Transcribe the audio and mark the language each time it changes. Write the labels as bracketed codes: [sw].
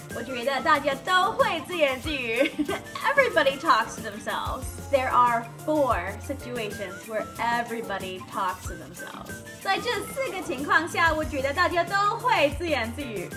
[zh] 我觉得大家都会自言自语。 [en] Everybody talks to themselves. There are four situations where everybody talks to themselves. [zh] 在这四个情况下，我觉得大家都会自言自语。